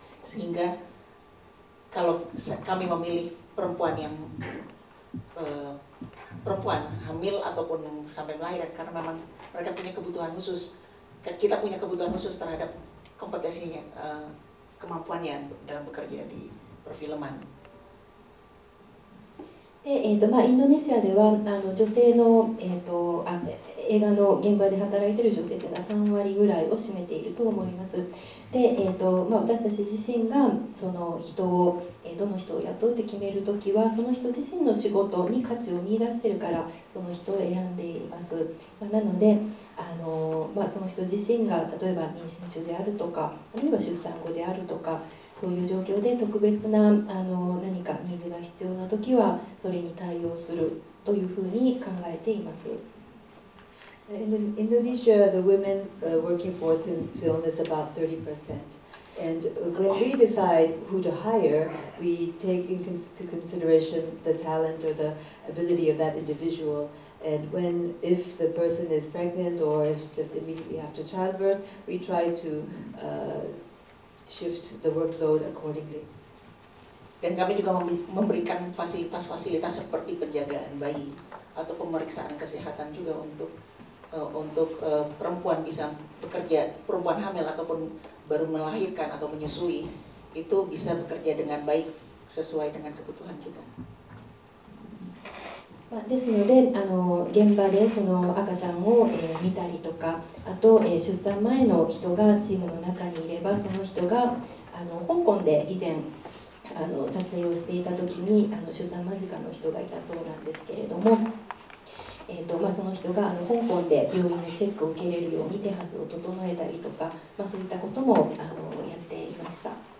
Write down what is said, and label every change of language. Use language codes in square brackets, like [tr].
[id] Sehingga kalau kami memilih perempuan yang perempuan hamil ataupun sampai melahirkan, karena memang mereka punya kebutuhan khusus. Kita punya kebutuhan khusus terhadap kompetensinya, kemampuannya dalam bekerja di perfilman. [ja] で、まあ、インドネシアでは女性の、映画の現場で働いている女性というのは3割ぐらいを占めていると思います。で、まあ、私たち自身がその人を、どの人を雇うって決めるときはその人自身の仕事に価値を見出しているからその人を選んでいます。まあ、なのでまあ、その人自身が例えば妊娠中であるとかあるいは出産後であるとかそういう状況で特別な何かニーズが必要なときはそれに対応するというふうに考えています。 [en] In Indonesia, the women working force in film is about 30%. And when we decide who to hire, we take into consideration the talent or the ability of that individual. And if the person is pregnant or if just immediately after childbirth, we try to shift the workload accordingly. [id] Dan kami juga memberikan fasilitas-fasilitas seperti penjagaan bayi atau pemeriksaan kesehatan juga untuk perempuan bisa bekerja, perempuan hamil ataupun baru melahirkan atau menyusui itu bisa bekerja dengan baik sesuai dengan kebutuhan kita. [ja] ですので現場でその赤ちゃんを見たりとかあと出産前の人がチームの中にいればその人が香港で以前撮影をしていた時に出産間近の人がいたそうなんですけれどもまあ、その人が香港で病院のチェックを受けれるように手はずを整えたりとか、まあ、そういったこともやっていました。